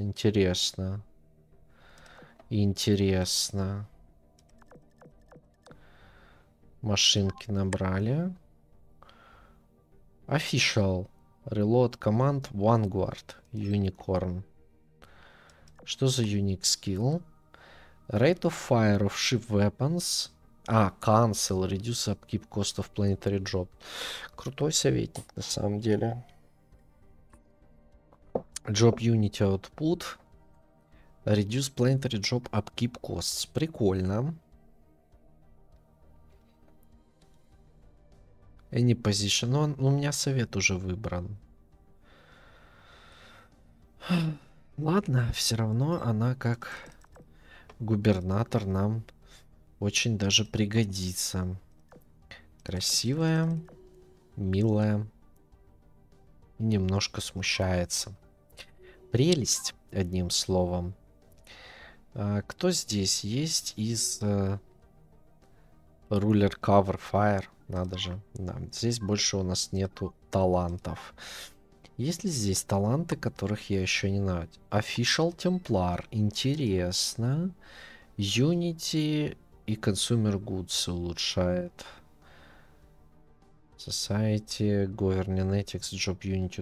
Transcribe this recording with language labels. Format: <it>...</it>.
<ru>Интересно. Интересно. Машинки набрали. Official.</ru> <en>Reload Command Vanguard Unicorn.</en> <ru>Что за</ru> <en>unique skill? Rate of fire of ship weapons. А, cancel. Reduce upkeep cost of planetary job.</en> <ru>Крутой советник на самом деле.</ru> <en>Job unity output. Reduce planetary job upkeep costs.</en> <ru>Прикольно.</ru> <en>Any position.</en> <ru>Но у меня совет уже выбран. Ладно, все равно она как губернатор нам очень даже пригодится. Красивая, милая, немножко смущается. Прелесть, одним словом. Кто здесь есть из Ruler Cover Fire? Надо же, да, здесь больше у нас нету талантов. Есть ли здесь таланты, которых я еще не знаю? Official Templar. Интересно. Unity и Consumer Goods улучшает.</ru> <en>Society, Governetics, Job Unity.</en>